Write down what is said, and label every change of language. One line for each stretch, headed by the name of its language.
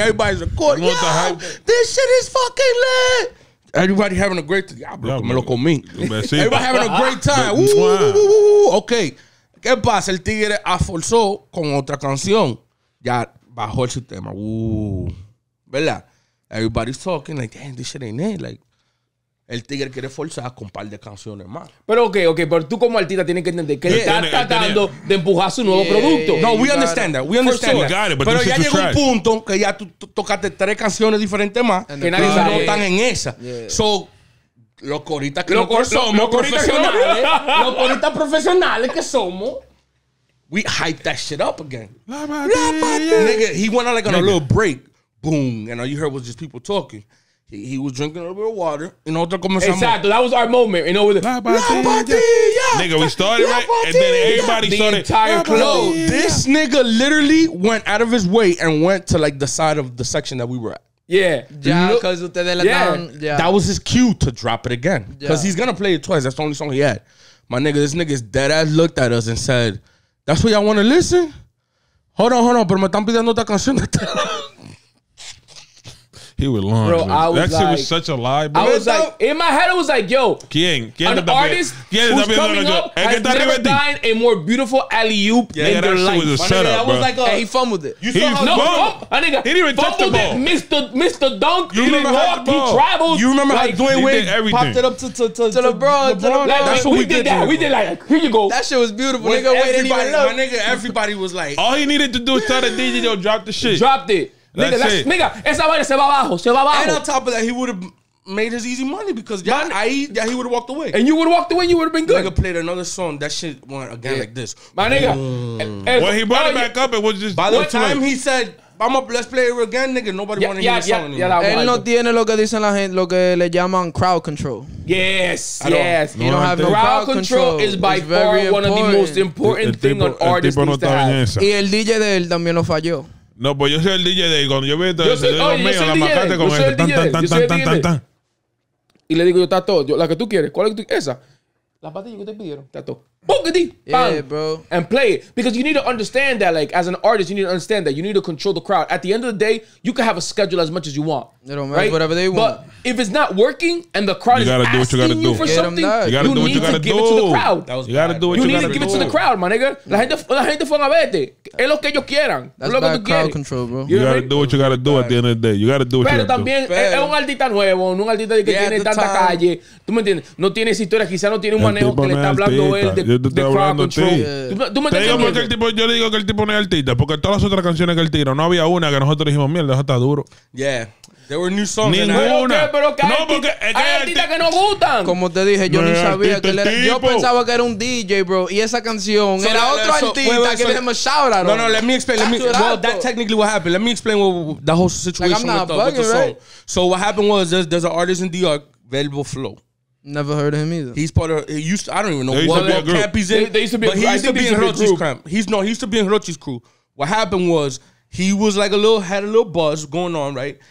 English: Everybody's a court. Yo, this shit is fucking lit. Everybody having a great time.
Spanish: Me lo comí.
English: Everybody having a great time. Okay.
Spanish: ¿Qué pasa? El tigre aforzó con otra canción. Ya. Bajo el sistema. ¿Verdad?
English: Everybody's talking like, damn, this shit ain't it.
Spanish: Like, el tigre quiere forzar con un par de canciones más. Pero ok. Pero tú como artista tienes que entender que él está tratando de empujar su nuevo producto.
English: No, we understand that. We understand that. Got it,
Spanish: pero ya llegó un punto que ya tú tocaste tres canciones diferentes más que nadie sabe. No están en esa. So, los coritas que somos profesionales. Los coritas profesionales que somos.
English: We hyped that shit up again. Nigga, he went on like on a little break. Boom. And all you heard was just people talking. He was drinking a little bit of water. Exactly. That was our moment. You know, with La Patilla. Nigga, we started right. And then everybody started. The entire club. This nigga literally went out of his way and went to like the side of the section that we were at. Yeah. That was his cue to drop it again. Because he's going to play it twice. That's the only song he had. My nigga, this nigga's dead ass looked at us and said, that's what y'all want to listen? Hold on,
Spanish: pero me están pidiendo otra canción.
English: He was lying. Bro, I was that like, shit was such a lie, bro. I was like, in my head, I was like, yo,
Spanish: ¿Quién
English: an artist who's coming up has never died a more beautiful alley-oop in their life. Yeah, that shit was a setup, bro. And he fumbled it. He didn't even touch the ball. Mr. Dunk, he didn't walk, he traveled. You remember how Dwayne Wade popped it up to LeBron. That's what we did. We did like, here you go. That shit was beautiful. Nigga, everybody was like. All he needed to do was tell the DJ, yo, drop the shit. Dropped it. Nigga,
Spanish: esa vaina se va abajo, se va abajo.
English: And on top of that, he would have made his easy money because he would have walked away. And you would have walked away, you would have been good. Nigga played another song, that shit went again like this. My nigga. Well, he brought it back up, it was just... By the time he said, let's play it again, nigga, nobody wanted to hear the song anymore.
Spanish: Él no tiene lo que dicen la gente, lo que le llaman crowd control.
English: Yes. You don't have no crowd control. Is by far one of the most important things an artist needs to have.
Spanish: Y el DJ de él también lo falló. No, pues yo soy el DJ de ahí. Cuando yo vi esto, yo soy el mío, la macate con eso. Y le digo, yo, está todo. La que tú quieres. ¿Cuál es tu? Esa. La patilla que te pidieron. Está todo. Boogity.
English: Yeah, bro. And play it. Because you need to understand that, like, as an artist, you need to understand that. You need to control the crowd. At the end of the day, you can have a schedule as much as you want. It don't matter. Whatever they want. But if it's not working and the crowd is asking you for something, you gotta do what you gotta do. You need to give it to the crowd. You gotta do what you gotta do. You need to give it to the crowd, my nigga.
Spanish: La gente fue a verte. Es lo que ellos quieran.
English: That's bad crowd control, bro. You gotta do what you gotta do at the end of the day. You gotta do what you gotta do.
Spanish: Pero también es un artista nuevo, un artista que tiene tanta calle. ¿Tú me entiendes? No tiene historia, quizá no tiene un manejo que le está hablando él de crowd control. ¿Tú me entiendes? Te digo porque el tipo, yo le digo que el tipo no es artista, porque todas las otras canciones que él tira, no había una que nosotros dijimos, mierda, eso está duro.
English: Yeah. There were new songs.
Spanish: Ninguna. Pero que no, porque hay artistas que no gustan. Como te dije, yo ni sabía que él era. Yo pensaba que era un DJ, bro. Y esa canción era otro artista que le hemos shout out.
English: No, no, let me explain. Well, that technically what happened. Let me explain what the whole situation with the song. So what happened was there's an artist in DR, Velvo Flow. Never heard of him either. He's part of. He used to, I don't even know what cap he's in. They used to be. But he used to be in Hirochi's crew. He used to be in Hirochi's crew. What happened was he was like had a little buzz going on, right?